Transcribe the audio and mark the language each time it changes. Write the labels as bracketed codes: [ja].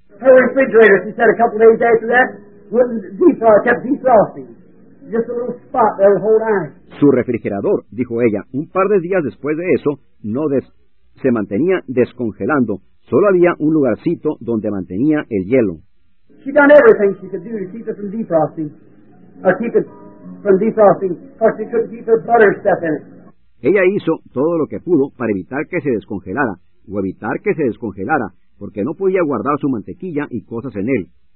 [en] Her refrigerator, she said, a couple days after that, kept defrosting. Just a little spot that would hold ice. [es] Su refrigerador, dijo ella, un par de días después de eso, se mantenía descongelando. Solo había un lugarcito donde mantenía el hielo. [en] She done everything she could do to keep it from defrosting. Or keep it from defrosting. Or she couldn't keep her butter stuff in it. [es] Ella hizo todo lo que pudo para evitar que se descongelara, o evitar que se descongelara, porque no podía guardar su mantequilla y cosas en él.